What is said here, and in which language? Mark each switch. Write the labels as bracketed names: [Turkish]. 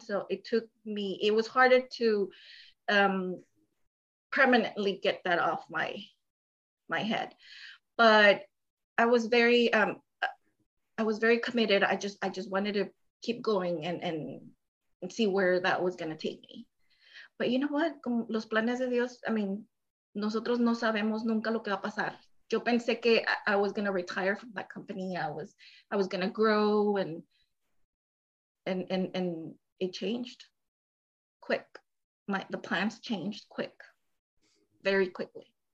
[English] So it was harder to permanently get that off my head. But I was very committed. I just wanted to keep going and see where that was gonna take me. But you know what? [Spanish] Los planes de Dios, I mean, nosotros no sabemos nunca lo que va a pasar. [English] Yo pensé que I was gonna retire from that company. I was gonna grow and it changed quick. The plans changed quick, very quickly.